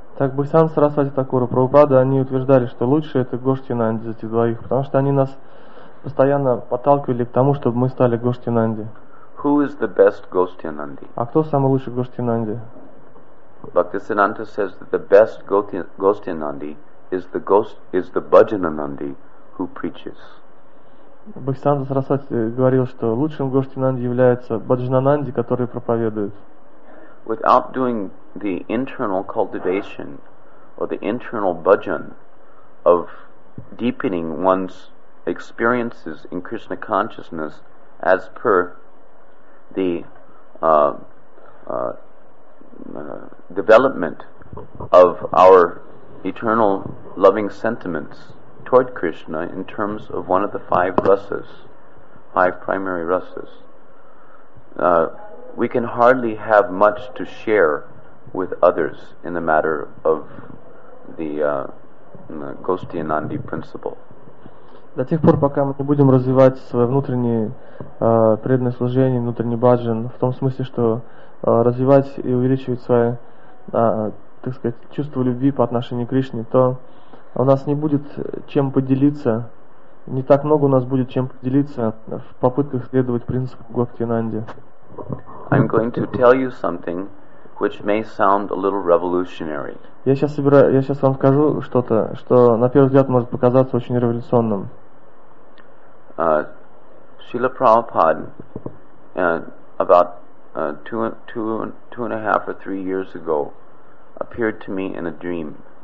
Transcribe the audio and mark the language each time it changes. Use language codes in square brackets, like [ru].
[ru] Так Бхактисиддханта Сарасвати Такура, Прабхупада, они утверждали, что лучше это Гоштхинанди из этих двоих, потому что они нас постоянно подталкивали к тому, чтобы мы стали Гоштхинанди. [en] Who is the best Гоштхинанди? [ru] А кто самый лучший Гоштхинанди? [en] Бхактисиддханта says that the best Гоштхинанди is the Бхаджананди who preaches. [ru] Бхактисиддханта Сарасвати говорил, что лучшим Гоштхинанди является Бхаджананди, который проповедует. [en] Without doing the internal cultivation or the internal bhajan of deepening one's experiences in Krishna consciousness as per the development of our eternal loving sentiments toward Krishna in terms of one of the five rasas, five primary rasas, we can hardly have much to share with others in the matter of the Гоштхинанди principle. [ru] До тех пор, пока мы не будем развивать свое внутреннее преданное служение, внутренний баджан, в том смысле, что развивать и увеличивать свое, так сказать, чувство любви по отношению к Кришне, то у нас не будет чем поделиться, не так много у нас будет чем поделиться в попытках следовать принципу Гоштхинанди. [en] I'm going to tell you something which may sound a little revolutionary. [ru] Я сейчас вам скажу что-то, что на первый взгляд может показаться очень революционным. [en] Srila Prabhupada, about two and a half or three years ago, appeared to me in a dream.